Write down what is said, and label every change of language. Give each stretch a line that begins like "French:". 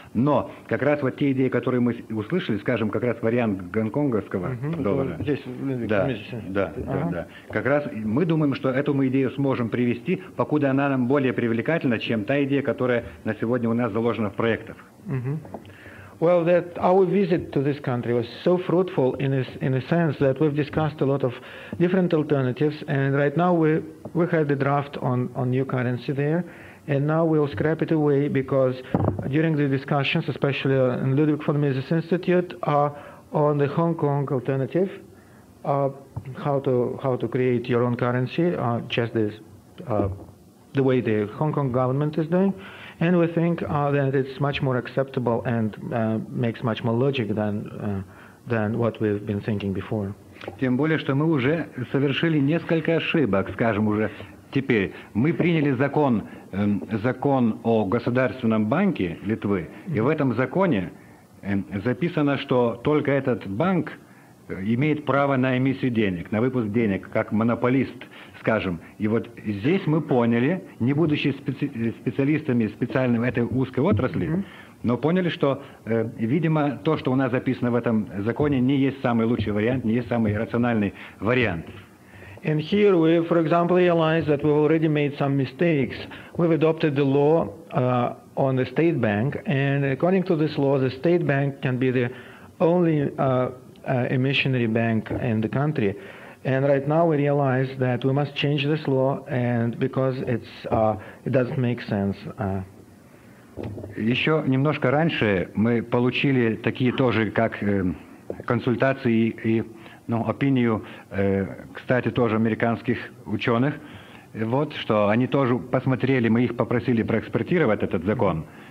Russian: Но как раз вот те идеи, которые мы услышали, скажем, как раз вариант гонконговского доллара. Здесь, да, да, да. Как раз мы думаем, что эту мы идею сможем привести, покуда она нам более привлекательна, чем та идея, которая на сегодня у нас заложена в проектах.
English: Well, that our visit to this country was so fruitful in a sense that we've discussed a lot of different alternatives, and right now we have the draft on new currency there, and now we'll scrap it away because during the discussions, especially in Ludwig von Mises Institute, on the Hong Kong alternative, how to create your own currency, just this, the way the Hong Kong government is doing. And we think that it's much more acceptable and makes much more logic than what we've been thinking before.
Russian: Тем более, что мы уже совершили несколько ошибок, скажем уже теперь. Мы приняли закон о государственном банке Литвы, и в этом законе записано, что только этот банк имеет право на эмиссию денег, на выпуск денег, как монополист, скажем. И вот здесь мы поняли, не будучи специалистами специальным этой узкой отрасли, но поняли, что, видимо, то, что у нас записано в этом законе, не есть самый лучший вариант, не есть самый рациональный вариант.
English: And here we, for example, realize that we've already made some mistakes. We've adopted the law on the state bank, and according to this law, the state bank can be the only emissionary bank in the country. And right now we realize that we must change this law, and because it doesn't make sense.
Russian: Еще немножко раньше мы получили такие тоже, как консультации и опинию, кстати, тоже американских ученых. Вот что, они тоже посмотрели, мы их попросили проэкспертировать этот закон.